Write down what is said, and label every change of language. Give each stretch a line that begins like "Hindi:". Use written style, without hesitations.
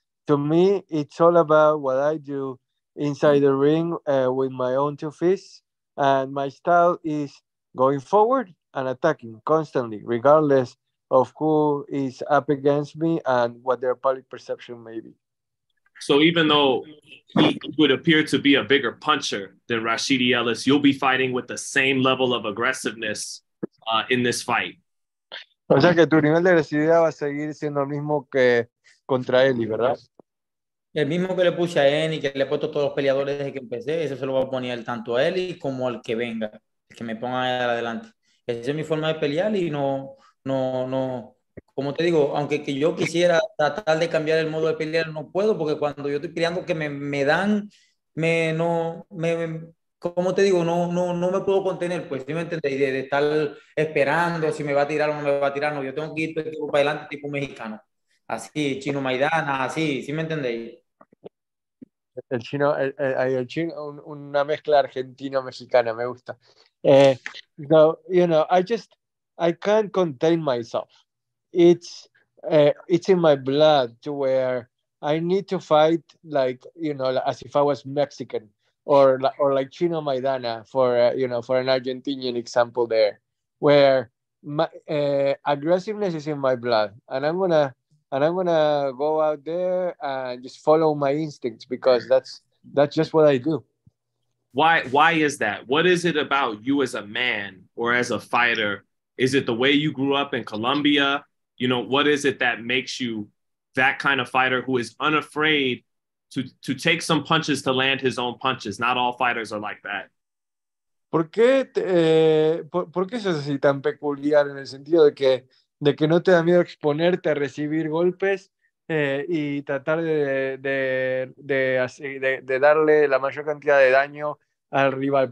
English: To me, it's all about what I do inside the ring with my own two fists, and my style is going forward and attacking constantly, regardless of who is up against me and what their public perception may be. So even though he would appear to be a bigger puncher than Rashidi Ellis, you'll be fighting with the same level of aggressiveness in this fight.
Spanish: O sea que tu nivel de agresividad va a seguir siendo el mismo que contra él, ¿verdad? El mismo que le puse a él y que le he puesto a todos los peleadores desde que empecé, eso se lo va a poner él tanto a él y como al que venga. Que me pongan adelante. Esa es mi forma de pelear y no, como te digo, aunque que yo quisiera tratar de cambiar el modo de pelear, no puedo, porque cuando yo estoy peleando que no me puedo contener, pues, ¿sí me entendéis? De estar esperando si me va a tirar o no me va a tirar, no, yo tengo que ir todo el tiempo para adelante, tipo mexicano, así, chino Maidana, así, ¿sí me entendéis? El chino, el chino, una mezcla argentino-mexicana, me gusta.
English: So, you know, I can't contain myself. It's in my blood to where I need to fight, like, you know, as if I was Mexican. or like Chino Maidana for you know, for an Argentinian example there, where my aggressiveness is in my blood, and I'm gonna go out there and just follow my instincts, because that's just what I do. Why is that? What is it about you as a man or as a fighter? Is it the way you grew up in Colombia? You know, what is it that makes you that kind of fighter who is unafraid to take some punches to land his own punches? Not all fighters are like that.
Spanish: ¿Por qué por qué sos así tan peculiar en el sentido de que no te da miedo exponerte a recibir golpes y tratar de darle la mayor cantidad de daño al rival?